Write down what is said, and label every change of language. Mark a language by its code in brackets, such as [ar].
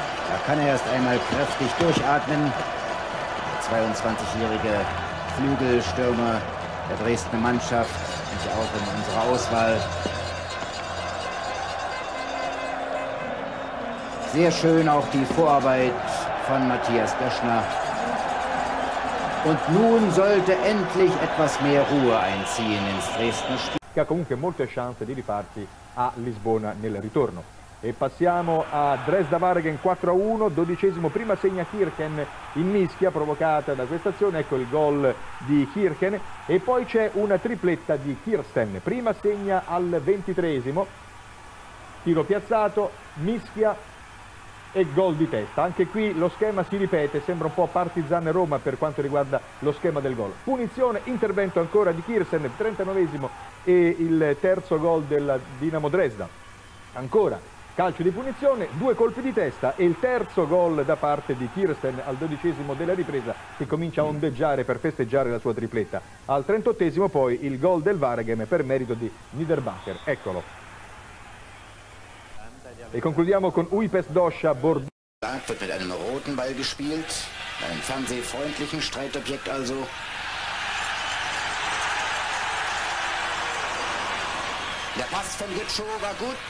[de] Da kann er erst einmal kräftig durchatmen. Der 22-jährige Flügelstürmer der Dresdner Mannschaft, nicht auch in unserer Auswahl. Sehr schön auch die Vorarbeit von Matthias Döschner. Und nun sollte endlich etwas mehr Ruhe einziehen ins Dresdner Spiel. [it] Comunque molte chance di rifarsi a Lisbona nel ritorno. E passiamo a Dresda Vargen 4-1, dodicesimo, prima segna Kirchen in mischia provocata da questa azione, ecco il gol di Kirchen, e poi c'è una tripletta di Kirsten, prima segna al 23esimo, tiro piazzato, mischia e gol di testa. Anche qui lo schema si ripete, sembra un po' Partizan Roma per quanto riguarda lo schema del gol. Punizione, intervento ancora di Kirsten, 39esimo, e il terzo gol del Dinamo Dresda. Ancora calcio di punizione, due colpi di testa e il terzo gol da parte di Kirsten al 12esimo della ripresa, che comincia a ondeggiare per festeggiare la sua tripletta. Al 38esimo poi il gol del Vargem per merito di Niederbacher, eccolo. E concludiamo con Uipes Doscia Bordeaux. [de] Wird mit einem roten Ball gespielt, einem fernsehfreundlichen Streitobjekt also. Der Pass von Gitscho war gut.